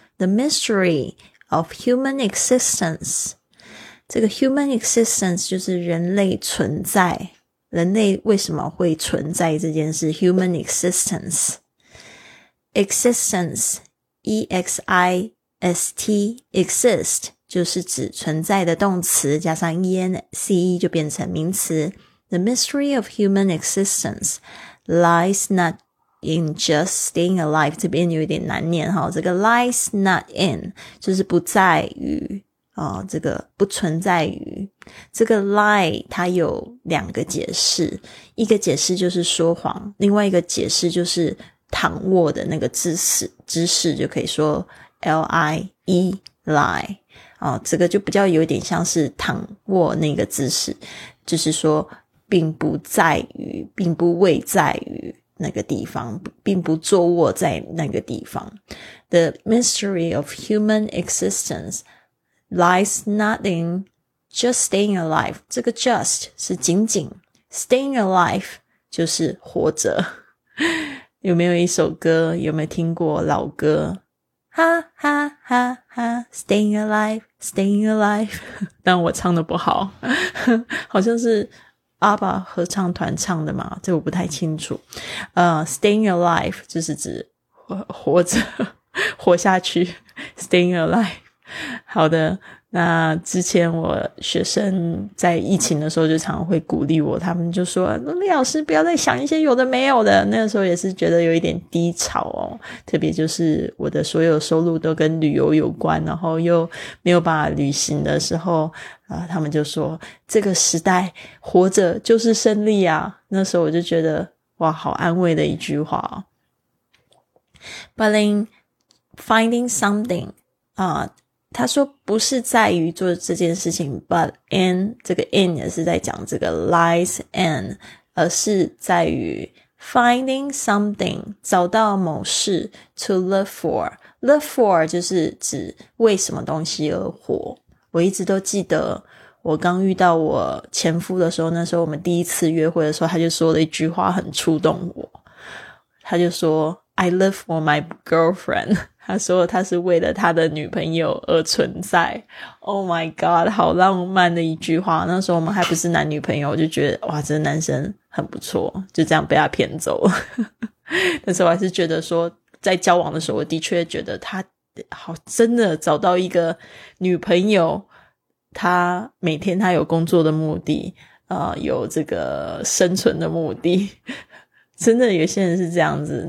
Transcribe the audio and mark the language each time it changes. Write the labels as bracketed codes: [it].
[zh] The mystery of human existence, 这个 human existence 就是人类存在，人类为什么会存在这件事， human existence, existence,E-X-I-S-T, exist, 就是指存在的动词，加上 E-N-C-E 就变成名词。 [en] The mystery of human existence lies not in just staying alive. [zh] 这边有点难念齁，这个 lies not in, 就是不在于，这个不存在于。这个 lie, 它有两个解释。一个解释就是说谎，另外一个解释就是躺卧的那个姿势就可以说 lie, lie, 这个就比较有点像是躺卧那个姿势，就是说并不在于，并不位在于那个地方，并不坐卧在那个地方。 [en] The mystery of human existence lies not in just staying alive. [zh] 这个 just 是仅仅， staying alive 就是活着。有没有一首歌，有没有听过老歌，哈哈哈哈 Staying alive, staying alive, 但我唱的不好，好像是阿爸合唱团唱的嘛，这我不太清楚。 Staying alive 就是指活着，活下去， staying alive。好的，那之前我学生在疫情的时候就常常会鼓励我，他们就说李老师不要再想一些有的没有的，那个时候也是觉得有一点低潮哦，特别就是我的所有收入都跟旅游有关，然后又没有办法旅行的时候，他们就说这个时代活着就是胜利啊，那时候我就觉得哇，好安慰的一句话哦。 But in finding something，他说不是在于做这件事情， but in, 这个 in 也是在讲这个 lies in, 而是在于 finding something, 找到某事 to live for. Live for 就是指为什么东西而活。我一直都记得我刚遇到我前夫的时候，那时候我们第一次约会的时候，他就说了一句话很触动我。 [en] 他就说 I live for my girlfriend. [zh] 他说他是为了他的女朋友而存在。 Oh my god, 好浪漫的一句话。那时候我们还不是男女朋友，我就觉得哇，这男生很不错，就这样被他骗走了。但是我还是觉得说，在交往的时候我的确觉得他好，真的找到一个女朋友，他每天他有工作的目的，有这个生存的目的，真的有些人是这样子。